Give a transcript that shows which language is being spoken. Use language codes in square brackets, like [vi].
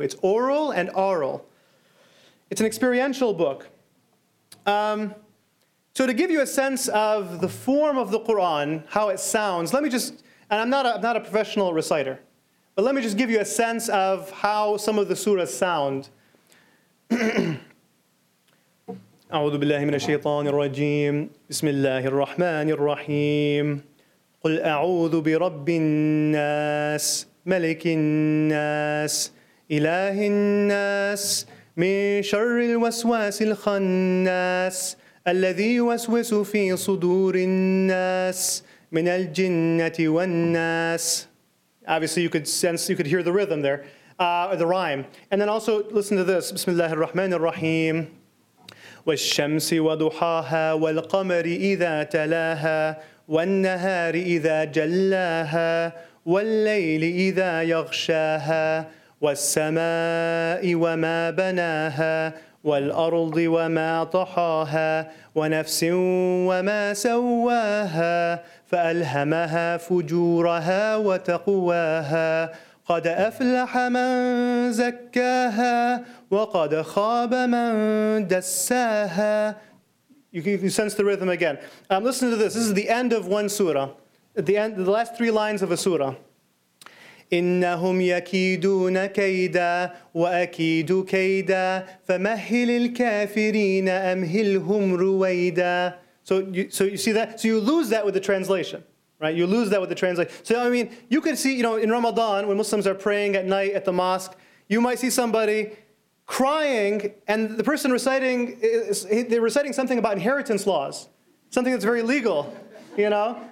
[en] It's oral and aural. It's an experiential book. So to give you a sense of the form of the Quran, how it sounds, I'm not a professional reciter, but let me just give you a sense of how some of the surahs sound. [ar] أعوذ بالله من الشيطان الرجيم بسم الله الرحمن الرحيم قل أعوذ برب الناس ملك الناس إله الناس من شر الوسواس الخناس الذي يوسوس في صدور الناس من الجنة والناس. [en] Obviously you could hear the rhythm there, the rhyme. And then also listen to this. [ar] بسم الله الرحمن الرحيم والشمس وضحاها والقمر إذا تلاها والنهار إذا جلاها والليل إذا يغشاها والسماء وما بناها والأرض وما طحاها ونفس وما سواها فألهمها فجورها وتقواها قد أفلح من زكاها وقد خاب من دساها. [en] You sense the rhythm again. Listen to this. This is the end of one surah. At the end, the last three lines of a surah. [ar] إنهم يكيدون كيدا وأكيد كيدا فمهل الكافرين أمهلهم رويدا. [en] So you see that? So you lose that with the translation. Right, you lose that with the translation. So I mean, you could see, you know, in Ramadan when Muslims are praying at night at the mosque, you might see somebody crying, and the person reciting they're reciting something about inheritance laws, something that's very legal, you know.